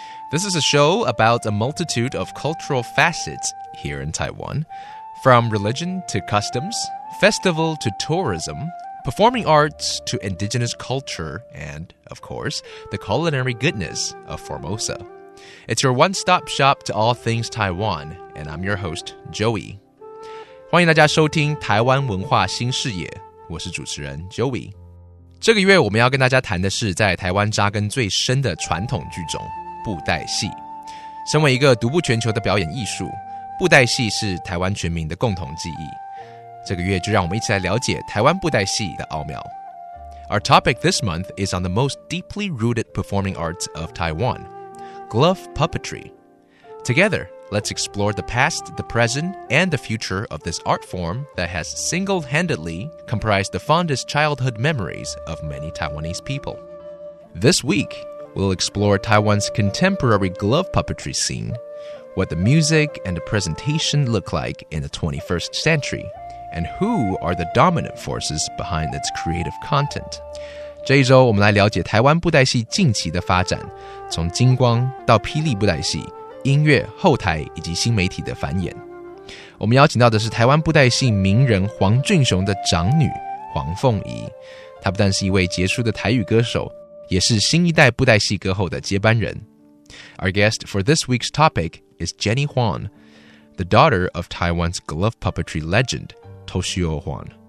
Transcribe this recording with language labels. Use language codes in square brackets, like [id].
[en] This is a show about a multitude of cultural facets here in Taiwan, from religion to customs, festival to tourism, performing arts to indigenous culture, and, of course, the culinary goodness of Formosa. It's your one-stop shop to all things Taiwan, and I'm your host, Joey. [zh] 欢迎大家收听台湾文化新视野，我是主持人 Joey。这个月我们要跟大家谈的是在台湾扎根最深的传统剧种布袋戏。身为一个独步全球的表演艺术，布袋戏是台湾全民的共同记忆。这个月就让我们一起来了解台湾布袋戏的奥妙。 [en] Our topic this month is on the most deeply rooted performing arts of Taiwan, glove puppetry. Together, let's explore the past, the present, and the future of this art form that has single-handedly comprised the fondest childhood memories of many Taiwanese people. This week, we'll explore Taiwan's contemporary glove puppetry scene, what the music and the presentation look like in the 21st century, and who are the dominant forces behind its creative content. [zh] 这一周我们来了解台湾布袋戏近期的发展，从金光到霹雳布袋戏，音乐、后台以及新媒体的繁衍。我们邀请到的是台湾布袋戏名人黄俊雄的长女黄凤仪，她不但是一位杰出的台语歌手，也是新一代布袋戏歌后的接班人。 [en] Our guest for this week's topic is Jenny Huan, the daughter of Taiwan's glove puppetry legend Toshio Huan.